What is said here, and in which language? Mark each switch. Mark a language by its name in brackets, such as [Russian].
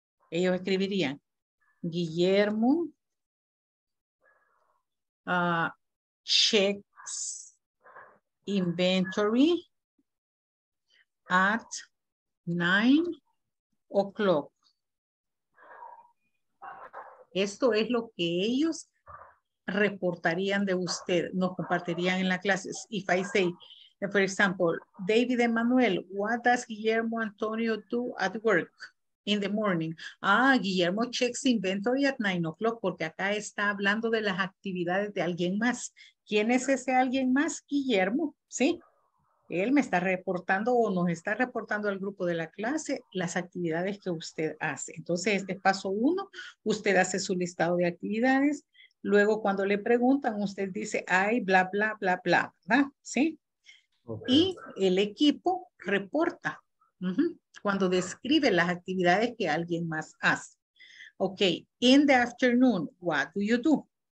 [Spanish] Ellos escribirían, [English] Guillermo checks inventory at 9 o'clock. [Spanish] Esto es lo que ellos reportarían de usted, nos compartirían en las clases. [English] If I say, for example, David Emmanuel, what does Guillermo Antonio do at work in the morning? [Spanish] Ah, Guillermo [English] checks inventory at 9 o'clock, [Spanish] porque acá está hablando de las actividades de alguien más. ¿Quién es ese alguien más? Guillermo, ¿sí? Él me está reportando o nos está reportando al grupo de la clase las actividades que usted hace. Entonces, este es paso uno. Usted hace su listado de actividades. Luego, cuando le preguntan, usted dice, ay, bla, bla, bla, bla, ¿verdad? ¿Sí? Y el equipo reporta cuando describe las actividades que alguien más hace. [English] Ok, in the afternoon, what do you do?